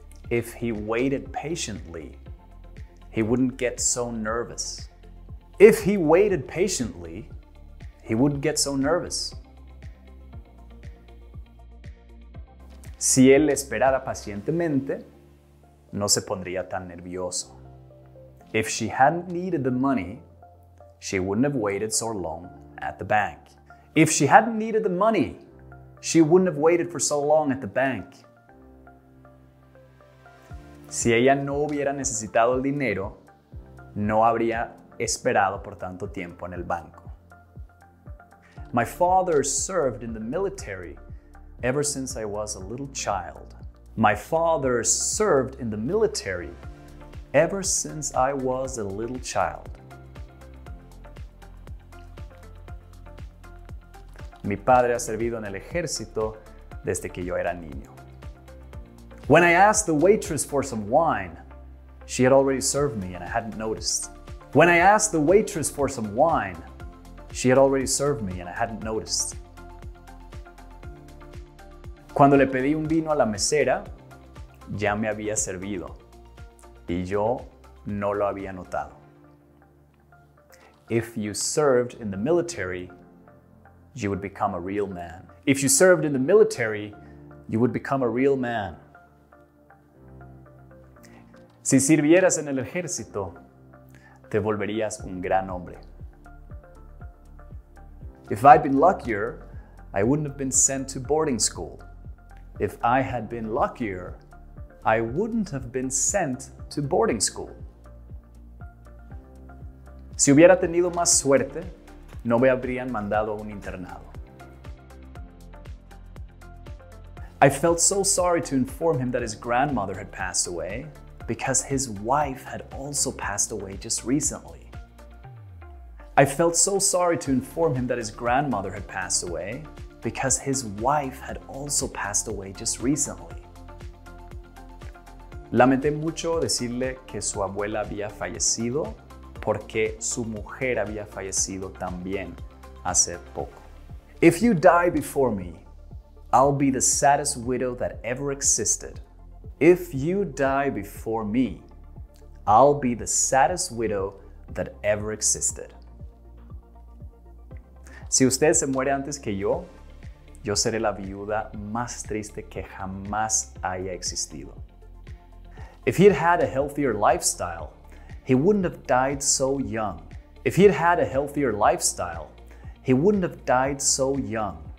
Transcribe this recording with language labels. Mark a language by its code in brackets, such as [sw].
[en] If he waited patiently, he wouldn't get so nervous. If he waited patiently, he wouldn't get so nervous. [es] Si él esperara pacientemente, no se pondría tan nervioso. [en] If she hadn't needed the money, she wouldn't have waited so long at the bank. If she hadn't needed the money, she wouldn't have waited for so long at the bank. [es] Si ella no hubiera necesitado el dinero, no habría esperado por tanto tiempo en el banco. [en] My father served in the military ever since I was a little child. My father served in the military ever since I was a little child. [es] Mi padre ha servido en el ejército desde que yo era niño. [en] When I asked the waitress for some wine, she had already served me and I hadn't noticed. When I asked the waitress for some wine, she had already served me and I hadn't noticed. [es] Cuando le pedí un vino a la mesera, ya me había servido y yo no lo había notado. [en] If you served in the military, you would become a real man. If you served in the military, you would become a real man. [es] Si sirvieras en el ejército, te volverías un gran hombre. [en] If I'd been luckier, I wouldn't have been sent to boarding school. If I had been luckier, I wouldn't have been sent to boarding school. [es] Si hubiera tenido más suerte, no me habrían mandado a un internado. [en] I felt so sorry to inform him that his grandmother had passed away, because his wife had also passed away just recently. I felt so sorry to inform him that his grandmother had passed away, because his wife had also passed away just recently. [es] Lamenté mucho decirle que su abuela había fallecido porque su mujer había fallecido también hace poco. [en] If you die before me, I'll be the saddest widow that ever existed. If you die before me, I'll be the saddest widow that ever existed. [es] Si usted se muere antes que yo, yo seré la viuda más triste que jamás haya existido. [en] If he had had a healthier lifestyle, he wouldn't have died so young. If he had had a healthier lifestyle, he wouldn't have died so young.